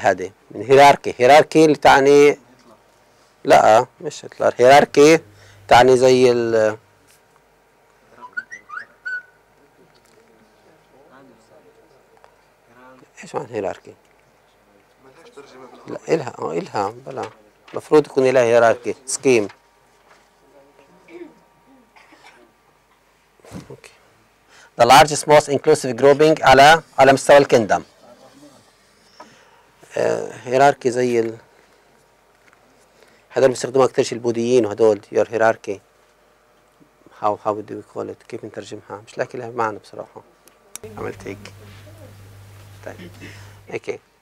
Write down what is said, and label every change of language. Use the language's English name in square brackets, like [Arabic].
[Arabic] هذه من هيراركي، هيراركي اللي تعني، لا مش هتلر، هيراركي تعني زي ال ايش معنى هيراركي؟ لا الها، الها بلا، المفروض يكون لها هيراركي سكيم. اوكي. [English] The largest most inclusive grouping [Arabic] على مستوى الكندم. هيراركي زي ال، هذول بيستخدموها كثير شيء البوذيين، وهدول يور هيراركي. [English] How do we call it? [Arabic] كيف نترجمها؟ مش لاقي لها معنى بصراحة. عملت هيك. طيب. اوكي.